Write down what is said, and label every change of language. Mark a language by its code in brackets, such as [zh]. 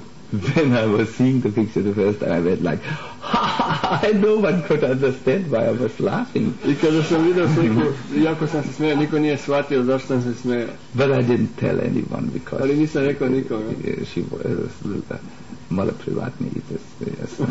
[en] When I was seeing the picture the first time, I went like, ha, ha, ha, no one could understand why I was laughing. [sr] I kada sam vidio sliku, jako sam se smijao, niko nije shvatio zašto sam se smijao. [en] But I didn't tell anyone because... [sr] Ali nisam rekao nikom. [en] She was a [sr] malo privatni i [en] yes.